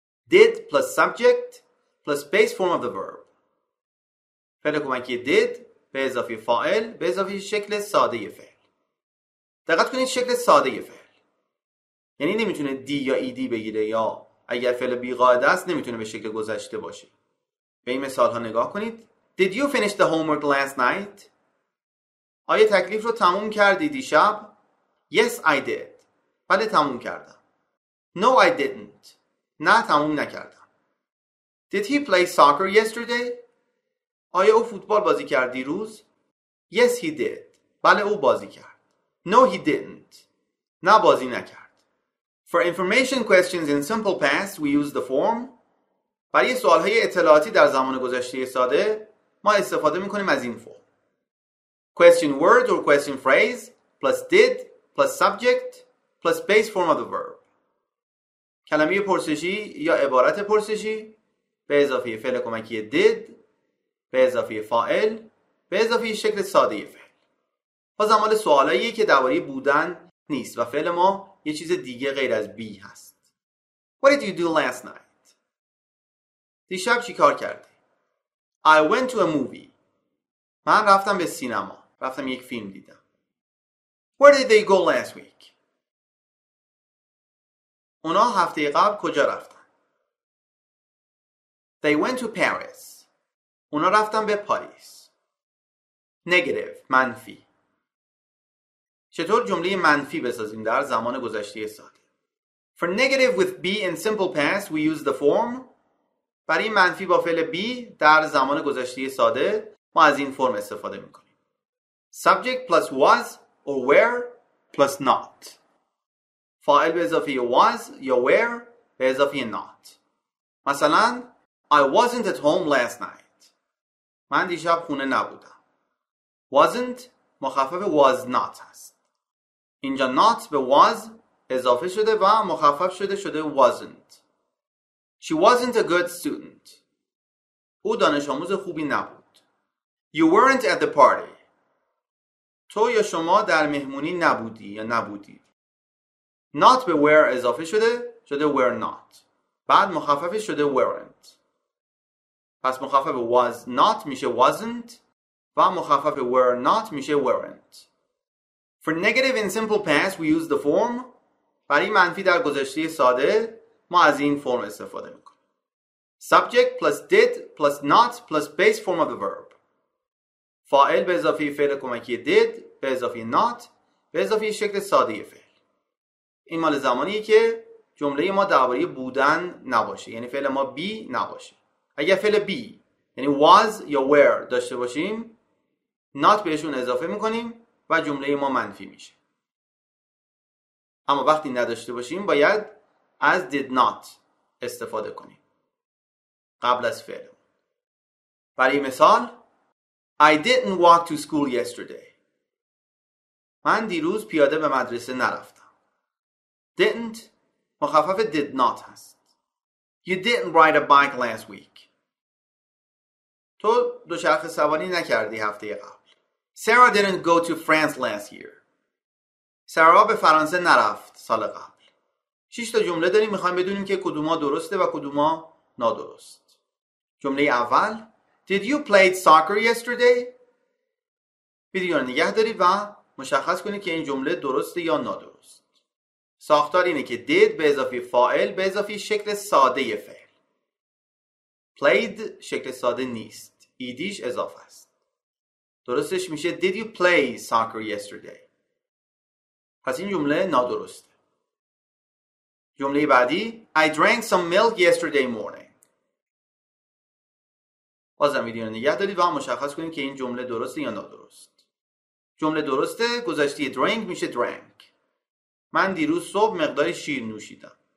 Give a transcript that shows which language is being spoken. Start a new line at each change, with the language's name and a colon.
English: Did plus subject plus base form of the verb.
Persian: فعل کمکی did به اضافه فاعل به اضافه شکل ساده فعل. دقت کنید شکل ساده فعل. یعنی نمیتونه دی یا ای دی بگیره یا اگر فعل بی قاعده است نمیتونه به شکل گذشته باشه. به این مثال ها نگاه کنید.
English: Did you finish the homework last night?
Persian: آیا تکلیف رو تموم کردی دیشب؟
English: Yes, I did.
Persian: بله تموم کردم.
English: No, I didn't.
Persian: نه تموم نکردم.
English: Did he play soccer yesterday?
Persian: آیا او فوتبال بازی کرد دیروز؟
English: Yes, he did.
Persian: بله او بازی کرد.
English: No, he didn't.
Persian: نه بازی نکرد.
English: For information questions in simple past, we use the form.
Persian: برای سوالهای اطلاعاتی در زمان گذشته ساده، ما استفاده میکنیم از این فرم.
English: Question word or question phrase plus did plus subject plus base form of the verb.
Persian: کلمه پرسشی یا عبارت پرسشی به اضافه فعل کمکی did به اضافه فاعل به اضافه شکل ساده فعل. باز مال سوالاییه که درباره بودن نیست و فعل ما یه چیز دیگه غیر از be هست.
English: What did you do last night?
Persian: دیشب چی کار کردی؟
English: I went to a movie.
Persian: من رفتم به سینما. رفتم یک فیلم دیدم.
English: Where did they go last week?
Persian: اونا هفته قبل کجا رفتن؟
English: They went to Paris.
Persian: اونا رفتن به پاریس. Negative. منفی. چطور جمله منفی بسازیم در زمان گذشته ساده؟
English: For negative with be in simple past, we use the form
Persian: برای منفی با فعل be در زمان گذشته ساده ما از این فرم استفاده میکنیم.
English: Subject plus was or were plus not.
Persian: فاعل به اضافه was یا were به اضافه not. مثلا
English: I wasn't at home last night.
Persian: من دیشب خونه نبودم. Wasn't مخفف was not هست. اینجا not به was اضافه شده و مخفف شده wasn't.
English: She wasn't a good student.
Persian: او دانش آموز خوبی نبود.
English: You weren't at the party.
Persian: تو یا شما در مهمونی نبودی یا نبودید. Not به were اضافه شده were not. بعد مخفف شده weren't. پس مخفف was not میشه wasn't و مخفف were not میشه weren't.
English: For negative in simple past we use the form
Persian: برای منفی در گذشته ساده ما از این فرم استفاده میکنیم.
English: Subject plus did plus not plus base form of the verb.
Persian: فاعل به اضافه فعل کمکی did به اضافه not به اضافه شکل ساده فعل. این مال زمانیه که جمله ما درباره بودن نباشه، یعنی فعل ما be نباشه. اگر فعل be یعنی was یا were داشته باشیم not بهشون اضافه میکنیم و جمله ما منفی میشه. اما وقتی نداشته باشیم باید از did not استفاده کنیم قبل از فعل. برای مثال
English: I didn't walk to school yesterday.
Persian: من دیروز پیاده به مدرسه نرفتم.
English: Didn't
Persian: مخفف did not هست.
English: You didn't ride a bike last week.
Persian: تو دوچرخه سواری نکردی هفته قبل.
English: Sarah didn't go to France last year.
Persian: سارا به فرانسه نرفت سال قبل. 6 تا جمله داریم، میخوایم بدونیم که کدوما درسته و کدوما نادرست. جمله اول
English: Did you play soccer yesterday?
Persian: ویدیو رو نگه دارید و مشخص کنید که این جمله درسته یا نادرست. ساختار اینه که did به اضافه فاعل به اضافه شکل ساده فعل. Played شکل ساده نیست. ایدیش اضافه است. درستش میشه
English: Did you play soccer yesterday?
Persian: پس این جمله نادرسته. جمله بعدی
English: I drank some milk yesterday morning.
Persian: بازم ویدیو رو نگه دارید و مشخص کنید که این جمله درسته یا نادرست. جمله درسته، گذشته drink میشه drank. من دیروز صبح مقداری شیر نوشیدم.